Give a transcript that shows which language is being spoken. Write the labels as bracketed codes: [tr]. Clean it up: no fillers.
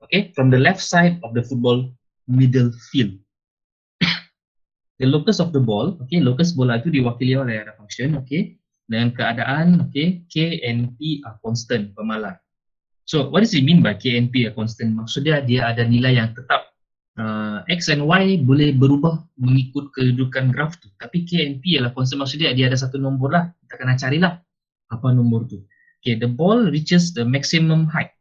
[en] Okay, from the left side of the football middle field. The locus of the ball, [ms] okay, locus bola itu diwakili oleh ada function, okay, dengan keadaan, okay, [en] K and P are constant, [ms] pemalar. [en] So what does it mean by KNP, a constant? [ms] Maksudnya dia ada nilai yang tetap. X and Y boleh berubah mengikut kedudukan graf tu. Tapi KNP ialah constant, maksudnya dia ada satu nombor lah. Kita kena carilah apa nombor tu. [en] Okay, the ball reaches the maximum height.